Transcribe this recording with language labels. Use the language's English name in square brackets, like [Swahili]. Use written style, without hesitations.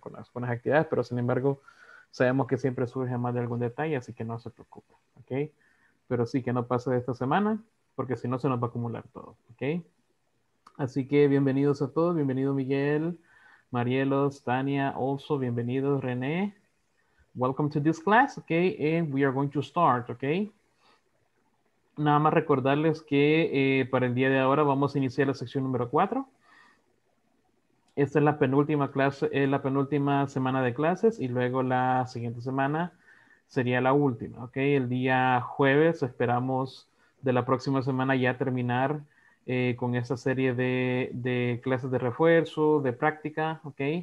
[Spanish] Con las actividades, pero sin embargo sabemos que siempre surge más de algún detalle, así que no se preocupe, ¿ok? Pero sí que no pase de esta semana porque si no se nos va a acumular todo, ¿ok? Así que bienvenidos a todos, bienvenido Miguel, Marielos, Tania, Oso, bienvenidos René. [English] Welcome to this class, ok, and we are going to start, ok. [Spanish] Nada más recordarles que para el día de ahora vamos a iniciar la sección número 4. Esta es la penúltima clase, la penúltima semana de clases y luego la siguiente semana sería la última, ok. El día jueves esperamos de la próxima semana ya terminar con esta serie de clases de refuerzo, de práctica, ¿ok?